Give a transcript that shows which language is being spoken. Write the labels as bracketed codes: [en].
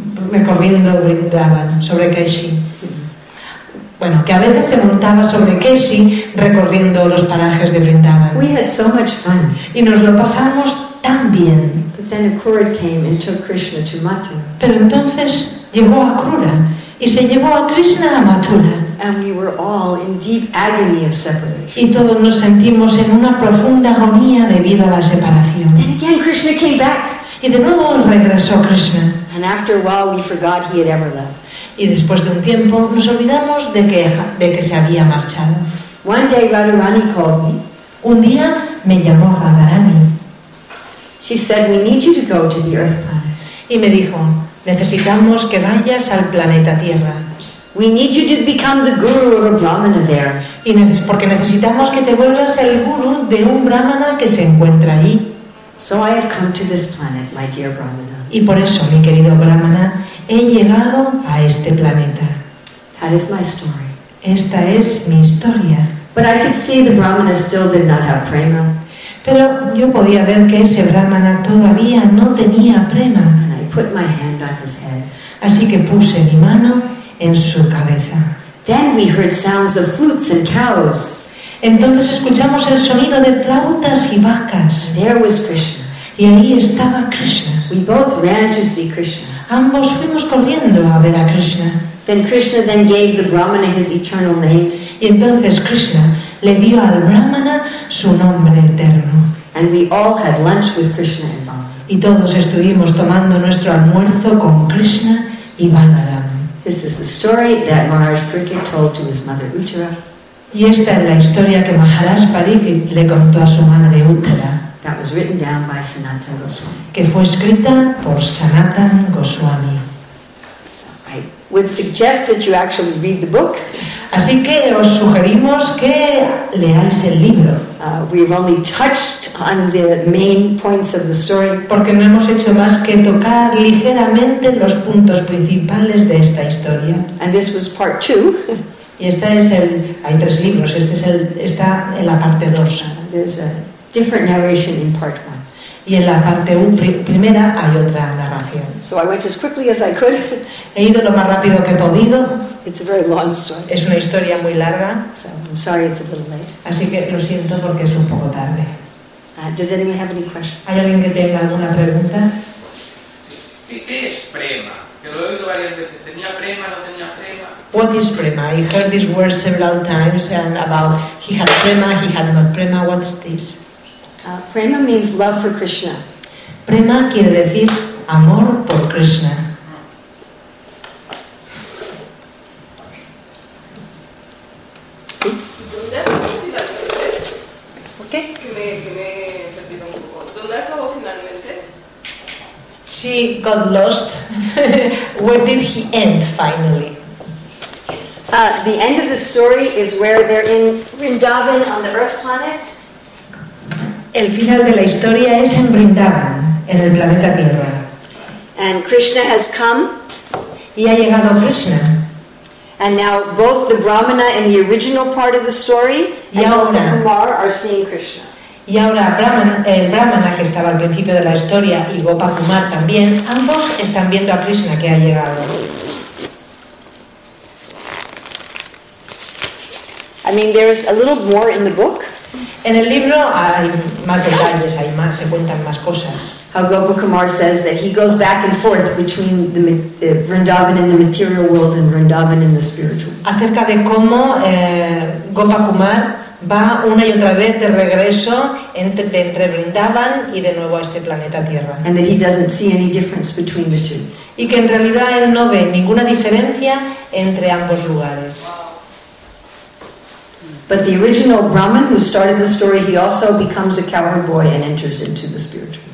[es] Recorriendo Vrindavan sobre Keshi. Bueno, que a veces se montaba sobre Keshi recorriendo los parajes de Vrindavan. [en] We had so much fun. [es] Y nos lo pasamos tan bien. [en] But then Akrura came and took Krishna to Mathura. [es] Pero entonces llegó Akrura y se llevó a Krishna a Mathura. [en] And we were all in deep agony of separation. [es] Y todos nos sentimos en una profunda agonía debido a la separación. [en] Then again Krishna came back. [es] Y de nuevo regresó Krishna. [en] And after a while we forgot he had ever left. [es] Y después de un tiempo nos olvidamos de que se había marchado. [en] One day Radharani called me. [es] Un día me llamó Radharani. [en] She said, "We need you to go to the Earth planet." [es] Y me dijo, "Necesitamos que vayas al planeta Tierra." [en] "We need you to become the guru of a brahmana there." [es] Y porque necesitamos que te vuelvas el guru de un brahmana que se encuentra ahí. [en] So I have come to this planet, my dear Brahmana. [es] Y por eso, mi querido Brahmana, he llegado a este planeta. [en] That is my story. [es] Esta es mi historia. [en] But I could see the Brahmana still did not have prema. [es] Pero yo podía ver que ese Brahmana todavía no tenía prema. [en] And I put my hand on his head. [es] Así que puse mi mano en su cabeza. [en] Then we heard sounds of flutes and cows. [es] Entonces escuchamos el sonido de flautas y vacas. [en] There was Krishna. [es] Y ahí estaba Krishna. [en] We both ran to see Krishna. [es] Ambos fuimos corriendo a ver a Krishna. [en] Then Krishna then gave the Brahmana his eternal name. [es] Y entonces Krishna le dio al Brahmana su nombre eterno. [en] And we all had lunch with Krishna and Balaram. [es] Y todos estuvimos tomando nuestro almuerzo con Krishna y Balaram. [en] This is the story that Maharaj Prakrit told to his mother Uttara. [es] Y esta es la historia que Maharaj Parikrit le contó a su madre Uttara. [en] That was written down by Sanatana Goswami. [es] Que fue escrita por Sanatana Goswami. [en] So I would suggest that you actually read the book. [es] Así que os sugerimos que leáis el libro. [en] We've only touched on the main points of the story. [es] Porque no hemos hecho más que tocar ligeramente los puntos principales de esta historia. [en] And this was part two. [es] Y este es el, hay tres libros, este está en la parte 2. [en] There's a different narration in part 1. [es] Y en la parte primera hay otra narración. [en] So I went as quickly as I could. [es] He ido lo más rápido que he podido. [en] It's a very long story. [es] Es una historia muy larga. [en] So I'm sorry it's a little late. [es] Así que lo siento porque es un poco tarde. [en] Does anyone have any questions? [es] ¿Hay alguien que tenga alguna pregunta? ¿Qué es prema? Que lo he oído varias veces. ¿Tenía prema, no tenía prema? [en] What is prema? I heard this word several times and about he had prema, he had not prema. What is this? Prema means love for Krishna. [es] Prema quiere decir amor por Krishna. [en] She got lost. Where did he end finally? The end of the story is where they're in Vrindavan on the Earth planet. [es] El final de la historia es en Vrindavan, en el planeta Tierra. [en] And Krishna has come. [es] Y ha llegado Krishna. [en] And now both the Brahmana in the original part of the story and the Kumar are seeing Krishna. [es] Y ahora el Brahmana que estaba al principio de la historia y Gopa Kumar también, ambos están viendo a Krishna que ha llegado. [en] I mean, there's a little more in the book. [es] En el libro hay más detalles, hay más, se cuentan más cosas. [en] How Gopa Kumar says that he goes back and forth between the Vrindavan in the material world and Vrindavan in the spiritual. [es] Acerca de cómo Gopa Kumar va una y otra vez de regreso entre Vrindavan y de nuevo a este planeta Tierra. [en] And that he doesn't see any difference between the two. [es] Y que en realidad él no ve ninguna diferencia entre ambos lugares. [en] But the original Brahman who started the story, he also becomes a cowherd boy and enters into the spiritual.